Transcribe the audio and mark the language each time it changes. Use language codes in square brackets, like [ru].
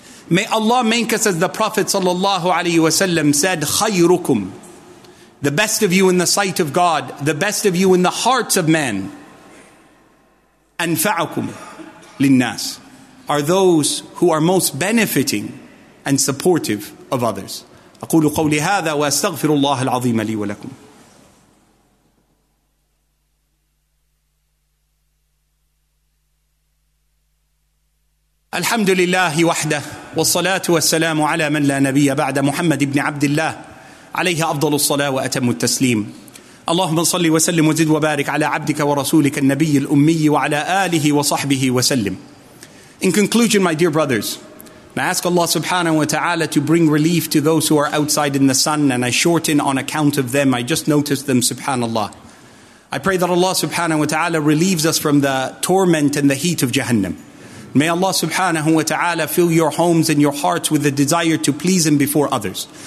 [en] May Allah make us, as the Prophet ﷺ said, [ar] خَيْرُكُمْ [en] the best of you in the sight of God, the best of you in the hearts of men, [ar] أنفعكم للناس, [en] are those who are most benefiting and supportive of others. [ar] أقول قولي هذا وأستغفر الله العظيم لي ولكم. الحمد لله وحده والصلاة والسلام على من لا نبي بعد محمد بن عبد الله عليه أفضل الصلاة وأتم التسليم. اللهم صل وسلم وزد وبارك على عبدك ورسولك النبي الأمي وعلى آله وصحبه وسلم. [en] In conclusion, my dear brothers, I ask Allah subhanahu wa ta'ala to bring relief to those who are outside in the sun, and I shorten on account of them. I just noticed them, subhanallah. I pray that Allah subhanahu wa ta'ala relieves us from the torment and the heat of Jahannam. May Allah subhanahu wa ta'ala fill your homes and your hearts with the desire to please Him before others.